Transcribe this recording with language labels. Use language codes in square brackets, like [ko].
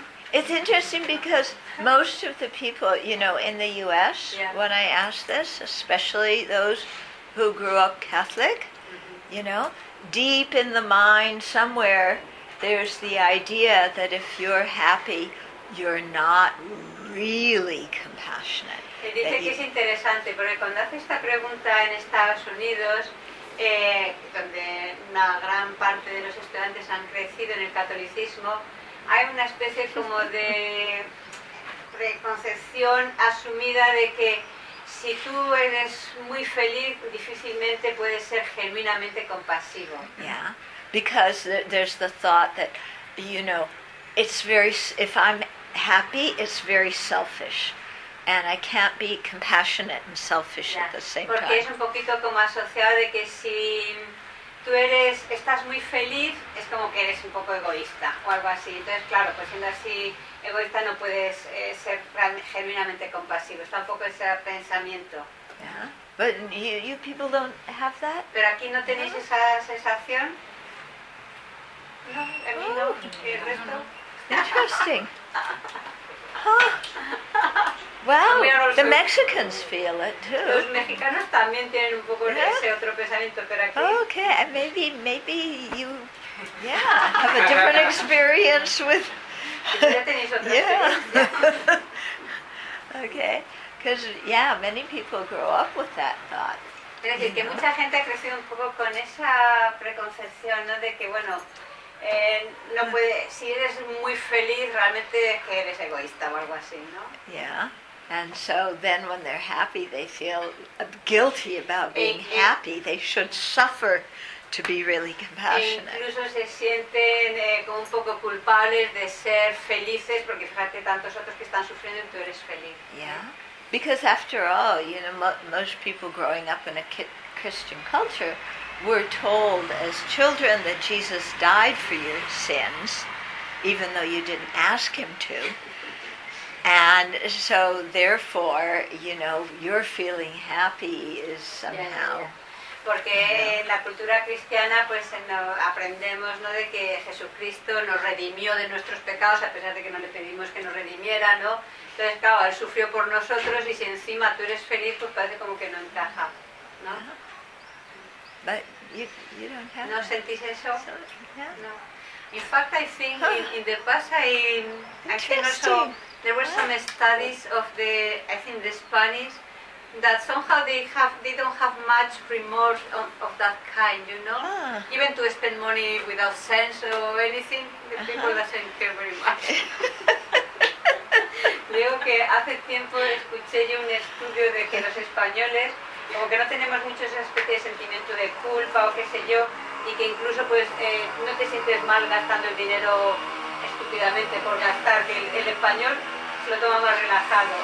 [en] It's interesting because most of the people, you know, in the U.S., yeah. when I ask this, especially those who grew up Catholic, mm-hmm. you know, deep in the mind somewhere, there's the idea that if you're happy, you're not really compassionate. [es] Él dice que es interesante, porque cuando hace esta pregunta en Estados Unidos, donde una gran parte de los estudiantes han crecido en el catolicismo, hay una especie como de preconcepción asumida de que si tú eres muy feliz, difícilmente puedes ser genuinamente compasivo. [en] Yeah, because there's the thought that, you know, if I'm happy, it's very selfish, and I can't be compassionate and selfish yeah. at the same [es] Porque [en] time. [es] Porque es un poquito como asociado de que si tú eres, estás muy feliz, es como que eres un poco egoísta o algo así. Entonces, claro, pues siendo así egoísta no puedes ser genuinamente compasivo. Está un poco ese pensamiento. [en] Yeah. But you people don't have that? [es] Pero aquí no tenéis mm-hmm. esa sensación. No, a mí no. Oh. ¿Y el resto? [en] Interesting. Huh. Well, the Mexicans feel it too. [es] Los mexicanos también tienen un poco yeah. ese otro pensamiento, pero aquí. [en] Okay, and maybe you, yeah, have a different experience with. Yeah. Okay, because yeah, many people grow up with that thought. [es] Es decir, [en] you [es] que know? Mucha gente ha crecido un poco con esa preconcepción, ¿no? De que bueno. No puede, si eres muy feliz, realmente es que eres egoísta o algo así, ¿no? [en] Yeah, and so then when they're happy, they feel guilty about being happy. They should suffer to be really compassionate. Incluso se sienten como un poco culpables de ser felices, porque fíjate, tantos otros que están sufriendo y tú eres feliz. Yeah, because after all, you know, most people growing up in a Christian culture, we're told as children that Jesus died for your sins, even though you didn't ask him to. And so, therefore, you know, you're feeling happy is somehow. [es] Porque en la cultura cristiana, pues, aprendemos, ¿no?, de que Jesucristo nos redimió de nuestros pecados, a pesar de que no le pedimos que nos redimiera, ¿no? Entonces, claro, él sufrió por nosotros, y si encima tú eres feliz, pues parece como que no encaja, ¿no? [en] But you don't have [es] ¿no [en] that. [es] Sentís eso? [en] So, yeah. [es] No. [en] In fact, I think in the past, I think also there were some studies of the, I think, the Spanish, that somehow they don't have much remorse of that kind, you know? Huh. Even to spend money without sense or anything, the people doesn't care very much. [es] Digo que hace tiempo escuché yo un estudio de que los españoles, como que no tenemos mucho esa especie de sentimiento de culpa o qué sé yo, y que incluso pues no te sientes mal gastando el dinero estúpidamente por gastar, que el español se lo toma más relajado.